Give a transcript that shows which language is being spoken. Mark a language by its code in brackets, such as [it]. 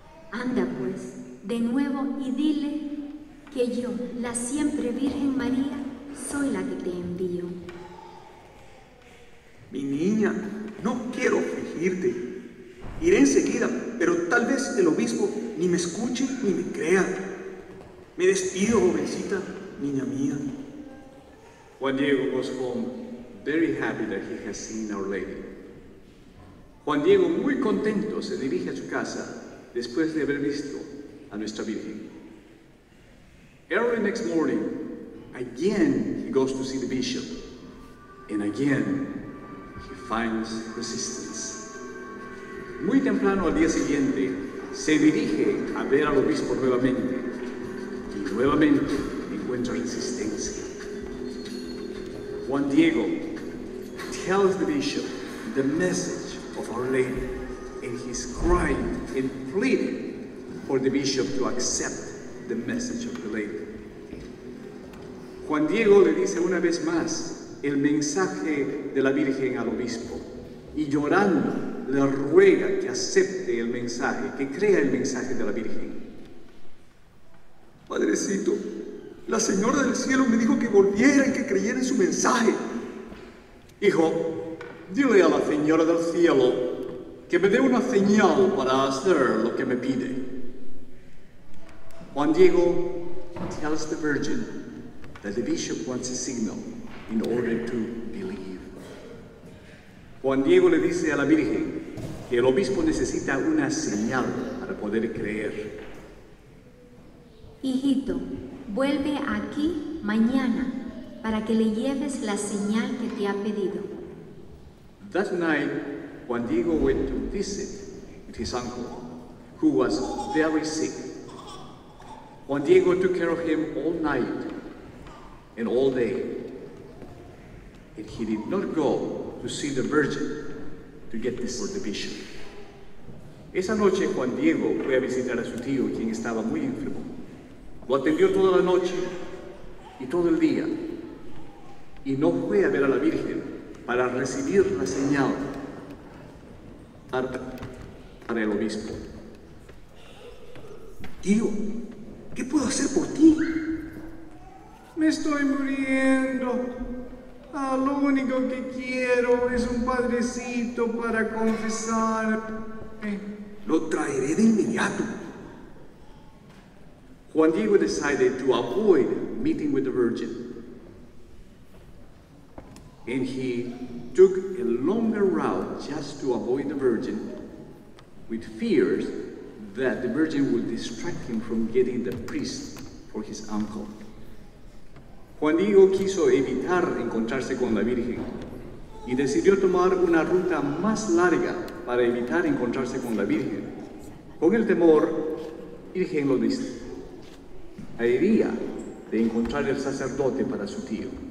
[es] Anda, pues, de nuevo y dile que yo, la siempre Virgen María, soy la que te envío. Mi niña, no quiero afligirte. Iré enseguida, pero tal vez el obispo ni me escuche ni me crea. Me despido, jovencita, niña mía. [en] Juan Diego goes home, very happy that he has seen Our Lady. [es] Juan Diego, muy contento, se dirige a su casa después de haber visto a Nuestra Virgen. [en] Early next morning, again he goes to see the bishop, and again he finds resistance. [es] Muy temprano al día siguiente, se dirige a ver al obispo nuevamente, y nuevamente encuentra resistencia. [en] Juan Diego tells the bishop the message of Our Lady, and he's crying and pleading for the bishop to accept the message of the Lady. [es] Juan Diego le dice una vez más el mensaje de la Virgen al obispo, y llorando le ruega que acepte el mensaje, que crea el mensaje de la Virgen. Padrecito, la Señora del Cielo me dijo que volviera y que creyera en su mensaje. Hijo, dile a la Señora del Cielo que me dé una señal para hacer lo que me pide. [en] Juan Diego tells the Virgin that the bishop wants a signal in order to believe. [es] Juan Diego le dice a la Virgen que el obispo necesita una señal para poder creer. Hijito, vuelve aquí mañana para que le lleves la señal que te ha pedido. [en] That night, Juan Diego went to visit with his uncle, who was very sick. Juan Diego took care of him all night and all day. And he did not go to see the Virgin to get this for the bishop. [es] Esa noche, Juan Diego fue a visitar a su tío, quien estaba muy enfermo. Lo atendió toda la noche y todo el día, y no fue a ver a la Virgen para recibir la señal para el obispo. Tío, ¿qué puedo hacer por ti? Me estoy muriendo. Ah, lo único que quiero es un padrecito para confesar. Lo traeré de inmediato. [en] Juan Diego decided to avoid meeting with the Virgin, and he took a longer route just to avoid the Virgin, with fears that the Virgin would distract him from getting the priest for his uncle. [es] Juan Diego quiso evitar encontrarse con la Virgen y decidió tomar una ruta más larga para evitar encontrarse con la Virgen. Con el temor, Virgen lo dice, haría de encontrar el sacerdote para su tío.